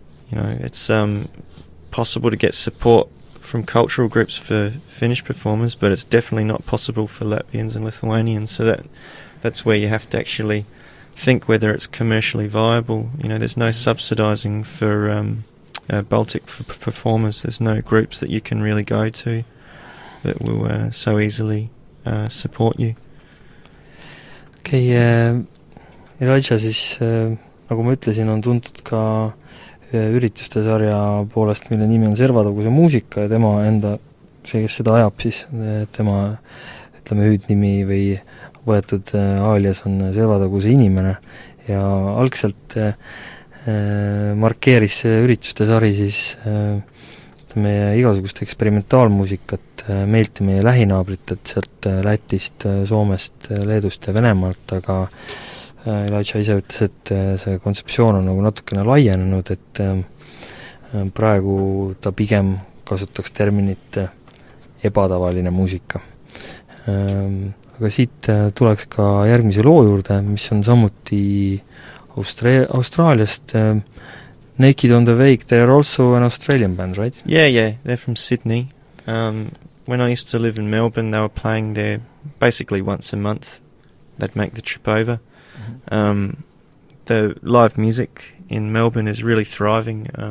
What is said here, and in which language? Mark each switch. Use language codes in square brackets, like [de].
[en] It's possible to get support from cultural groups for Finnish performers, but it's definitely not possible for Latvians and Lithuanians, so that's where you have to actually think whether it's commercially viable. You know, there's no subsidizing for Baltic performers. There's no groups that you can really go to that will so easily support you. [et] Okay, Elijah, siis nagu ma ütlesin, on tuntud ka ürituste sarja poolest, mille nimi on Servataguse muusika, ja tema enda, see, kes seda ajab, siis tema, ütleme, hüüdnimi või võetud aalias on Servataguse inimene. Ja algselt markeeris see ürituste sari siis meie igasugust eksperimentaalmuusikat meilt meie lähinaabritelt, sealt Lätist, Soomest, Leedust ja Venemalt, aga Elijah ise ütles, et see kontseptsioon on nagu natukene laienenud, et praegu ta pigem kasutaks terminit ebatavaline muusika. Aga siit tuleks ka järgmise loo juurde, mis on samuti Austraaliast. [en] Naked on the Wake, they are also an Australian band, right? Yeah, yeah, they're from Sydney. When I used to live in Melbourne, they were playing there basically once a month. They'd make the trip over. The live music in Melbourne is really thriving.